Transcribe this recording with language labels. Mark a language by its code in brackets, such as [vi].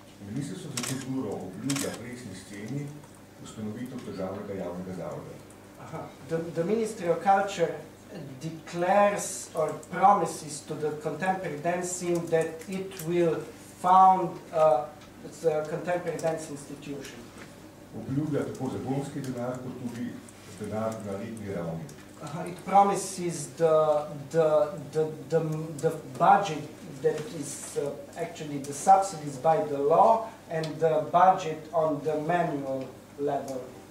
[sl] Ministrstvo za kulturo obljublja plesni sceni ustanovitev državnega javnega zavoda. [en] The Ministry of Culture declares or promises to the contemporary dance scene that it will found the contemporary dance institution. [sl] Obljublja tako za bonski denar, kot tudi denar na letni ravni. [en] It promises the budget that is actually the subsidies by the law and the budget on the manual level.